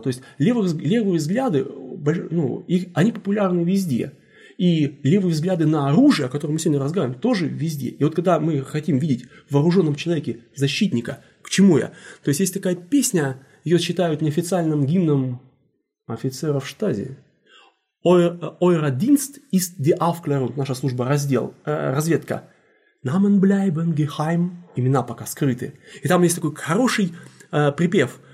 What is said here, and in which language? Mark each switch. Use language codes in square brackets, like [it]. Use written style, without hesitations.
[ru] То есть левые взгляды, ну, их, они популярны везде. И левые взгляды на оружие, о котором мы сегодня разговариваем, тоже везде. И вот когда мы хотим видеть в вооруженном человеке защитника, к чему я? То есть, есть такая песня, ее считают неофициальным гимном офицеров Штази. [de] «Euer Dienst ist die Aufklärung», [ru] наша служба, раздел, разведка. [de] «Namen bleiben geheim», [ru] имена пока скрыты. И там есть такой хороший припев.